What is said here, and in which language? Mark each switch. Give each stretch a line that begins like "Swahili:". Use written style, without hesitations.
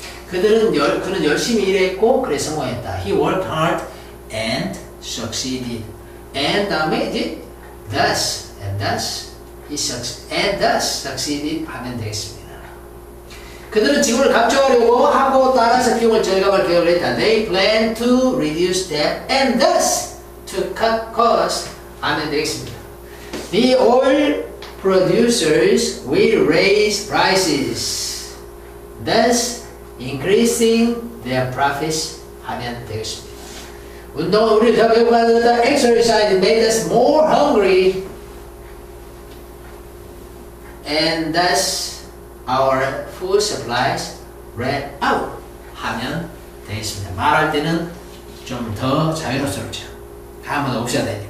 Korean: 그는 열심히 일했고 그래서 성공했다.
English: He worked hard and succeeded. And
Korean: 다음에 이제
English: thus and thus he succeeded and thus succeeded
Korean: 하면 되겠습니다. 그들은 직원을 감축하려고 하고 따라서 비용을 절감할 계획을 했다.
English: They plan to reduce debt and thus to cut costs
Korean: 하면 되겠습니다.
English: The oil producers will raise prices, thus increasing their profits
Korean: 하면 되겠습니다. 운동은 우리를 더 배고프게 만들었다.
English: Exercise made us more hungry, and thus our food supplies ran out
Korean: 하면 되겠습니다. 말할 때는 좀 더 자유롭죠. 감은 없어야 돼.